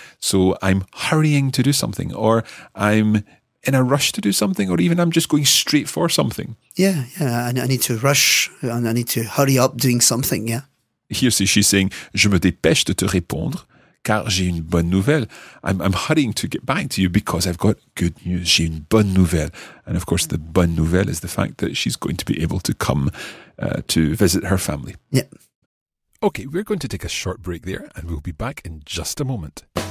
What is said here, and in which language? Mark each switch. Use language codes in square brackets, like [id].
[en] So I'm hurrying to do something, or I'm in a rush to do something, or even I'm just going straight for something. Yeah, yeah. I need to rush, and I need to hurry up doing something, yeah. Here, so she's saying, [fr] je me dépêche de te répondre, car j'ai une bonne nouvelle. [en] I'm hurrying to get back to you because I've got good news. [fr] J'ai une bonne nouvelle. [en] And of course, the bonne nouvelle is the fact that she's going to be able to come to visit her family. Yeah. Okay, we're going to take a short break there, and we'll be back in just a moment.